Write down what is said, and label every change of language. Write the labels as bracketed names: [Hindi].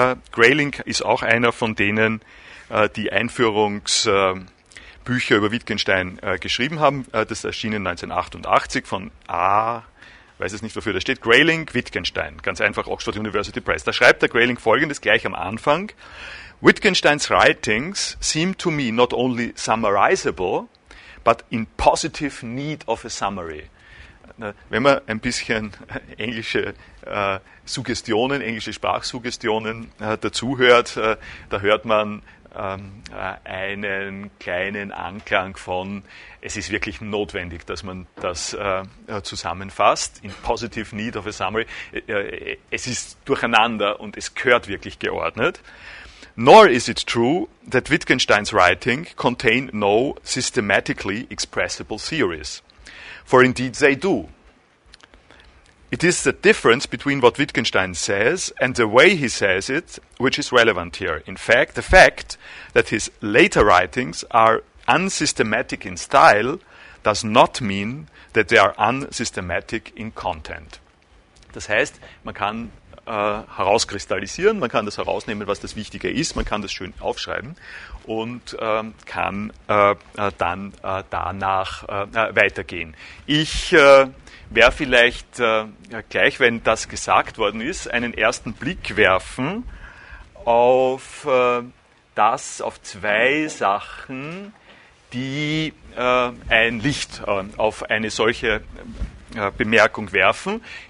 [German] Grayling ist auch einer von denen, die Einführungsbücher über Wittgenstein geschrieben haben. Das erschien 1988 von A. Weiß es nicht, wofür das steht. Grayling, Wittgenstein, ganz einfach Oxford University Press. Da schreibt der Grayling Folgendes gleich am Anfang. [English] Wittgensteins writings seem to me not only summarizable, but in positive need of a summary. [German] Wenn man ein bisschen englische Suggestionen, englische Sprachsuggestionen dazuhört, da hört man einen kleinen Anklang von, es ist wirklich notwendig, dass man das zusammenfasst, [English] in positive need of a summary. [German] Es ist durcheinander und es gehört wirklich geordnet. [English] Nor is it true that Wittgenstein's writing contain no systematically expressible theories. For indeed they do. It is the difference between what Wittgenstein says and the way he says it, which is relevant here. In fact, the fact that his later writings are unsystematic in style does not mean that they are unsystematic in content. [German] Das heißt, man kann herauskristallisieren, man kann das herausnehmen, was das Wichtige ist, man kann das schön aufschreiben und kann dann danach weitergehen. Ich wäre vielleicht gleich, wenn das gesagt worden ist, einen ersten Blick werfen auf das, auf zwei Sachen, die ein Licht auf eine solche Bemerkung werfen.